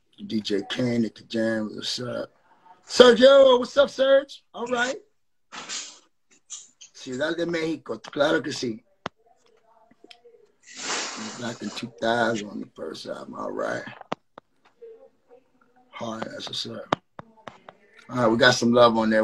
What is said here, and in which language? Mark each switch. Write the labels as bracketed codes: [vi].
[en] DJ Kane, Nicky Jam, what's up? Sergio, what's up, Serge? All right. [es] Ciudad de Mexico, claro que sí. [en] Back in 2000 on the first album, all right. Hi, that's what's up. All right, we got some love on there.